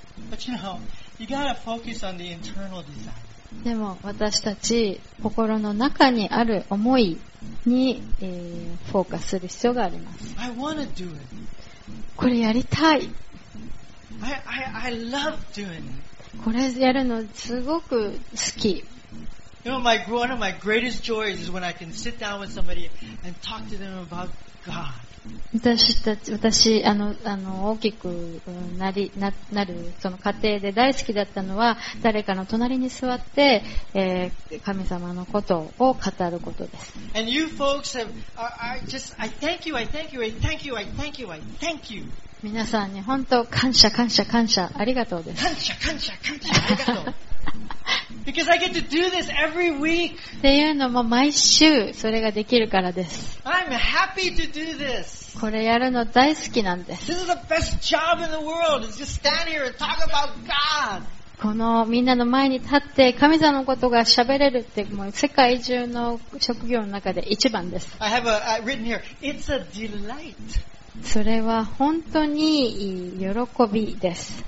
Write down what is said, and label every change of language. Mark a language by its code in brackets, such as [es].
[en] But you know, you gotta focus on the internal desire. [ja] でも私たち心の中にある思いに、フォーカスする必要があります。 [en] I wanna do it. [ja] これやりたい。 [en] I love doing it. [ja] これやるのすごく好き。 [en] You know, one of my greatest joys is when I can sit down with somebody and talk to them about God. [ja] 私あの大きく なるその過程で大好きだったのは、誰かの隣に座って、神様のことを語ることです。 [en] And you folks have, I thank you, I thank you, I thank you, I thank you, I thank you. [ja] 皆さんに本当感謝感謝感謝ありがとうです。感謝感謝感謝ありがとう [en] Because I get to do this every week. [ja] っていうのも毎週それができるからです。 [en] I'm happy to do this. [ja] これやるの大好きなんです。 [en] This is the best job in the world. It's just stand here and talk about God. [ja] このみんなの前に立って神様のことが喋れるって、もう世界中の職業の中で一番です。 [en] I have written here. It's a delight. [ja] それは本当にいい喜びです。